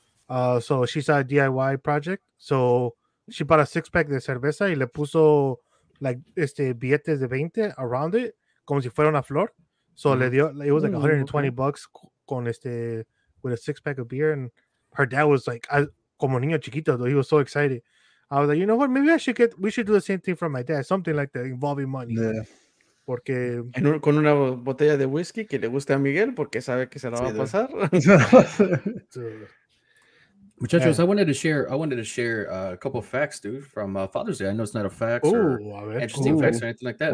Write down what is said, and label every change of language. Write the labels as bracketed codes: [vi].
[en] So she saw a DIY project. So she bought a 6-pack [es] de cerveza y le puso [en] like [es] billetes de 20 [en] around it, [es] como si fuera una flor. [en] So mm-hmm. It was like $120 con with a 6-pack of beer. And her dad was like, [es] como niño chiquito, [en] though. He was so excited. I was like, you know what? Maybe we should do the same thing for my dad, something like that involving money. Yeah. [es] Porque con una botella de whisky que le guste a Miguel porque sabe que se la va a pasar. Muchachos, yeah. [en] I wanted to share a couple of facts, dude, from Father's Day. I know it's not a fact interesting facts or anything like that.